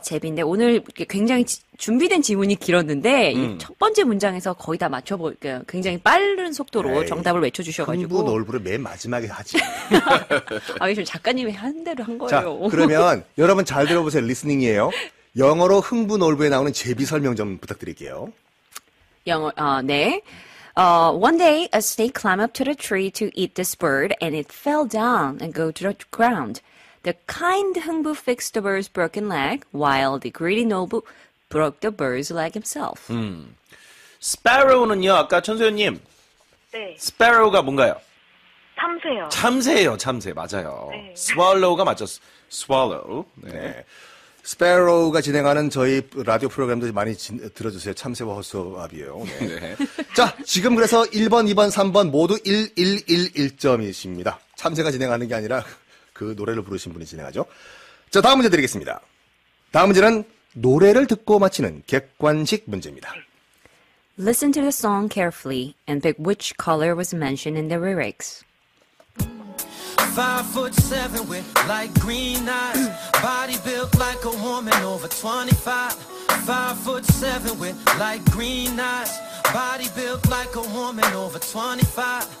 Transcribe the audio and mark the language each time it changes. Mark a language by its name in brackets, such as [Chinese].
[Korean] 제비인데 오늘 굉장히 준비된 지문이 길었는데 첫 번째 문장에서 거의 다 맞춰볼게요. 굉장히 빠른 속도로 에이, 정답을 외쳐주셔가지고. 흥부놀부를 맨 마지막에 하지. 아, 이게 좀 작가님이 한 대로 한 거예요. 자, 그러면 여러분 잘 들어보세요. 리스닝이에요. 영어로 흥부놀부에 나오는 제비 설명 좀 부탁드릴게요. 영어, 네. [English] One day, a snake climbed up to the tree to eat this bird, and it fell down and go to the ground. The kind Hengbu fixed the bird's broken leg, while the greedy Nobu broke the bird's leg himself. [Korean] Sparrow는요, 아까 천소연님. 네. Sparrow가 뭔가요? 참새요. 참새예요, 참새. 맞아요. 네. Swallow가 맞죠. Swallow. 네. 네. Sparrow가 진행하는 저희 라디오 프로그램도 많이 들어주세요. 참새와 허수아비예요. 네. 네. 자, 지금 그래서 1번, 2번, 3번 모두 1111점이십니다. 참새가 진행하는 게 아니라 그 노래를 부르신 분이 진행하죠. 자, 다음 문제 드리겠습니다. 다음 문제는 노래를 듣고 맞히는 객관식 문제입니다. [English] Listen to the song carefully and pick which color was mentioned in the lyrics. 5'7" with light green eyes, body built like a woman over 25. 5'7" with light green eyes, body built like a woman over 25.